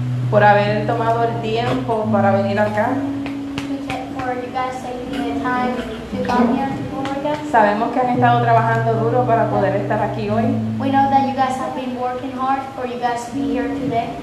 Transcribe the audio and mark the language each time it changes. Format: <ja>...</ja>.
<es>Por haber tomado el tiempo para venir acá.</es> <en>For you guys taking the time to come here to work out.</en> <es>Sabemos que han estado trabajando duro para poder estar aquí hoy.</es> <en>We know that you guys have been working hard for you guys to be here today.</en>